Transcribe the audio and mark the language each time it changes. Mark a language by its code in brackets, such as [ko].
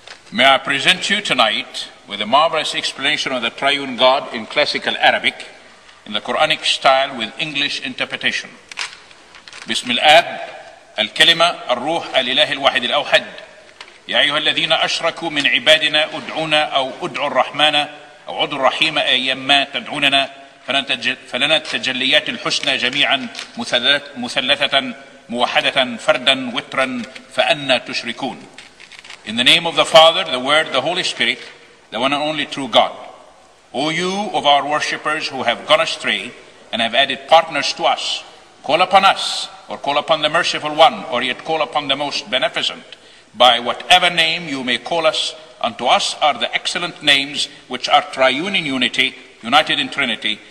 [en] May I present you tonight with a marvelous explanation of the triune God in classical Arabic in the Quranic style with English interpretation. [ar] بسم الآب الكلمة الروح الإله الواحد الأوحد يا أيها الذين أشركوا من عبادنا أدعونا أو أدعوا الرحمن أو عدوا الرحيم أيما تدعوننا فلنا التجليات الحسنى جميعا مثلثة موحدة فردا وترا فأنا تشركون. [en] In the name of the Father, the Word, the Holy Spirit, the one and only true God. O you of our worshippers who have gone astray and have added partners to us, call upon us or call upon the merciful one or yet call upon the most beneficent. By whatever name you may call us, unto us are the excellent names which are triune in unity, united in Trinity.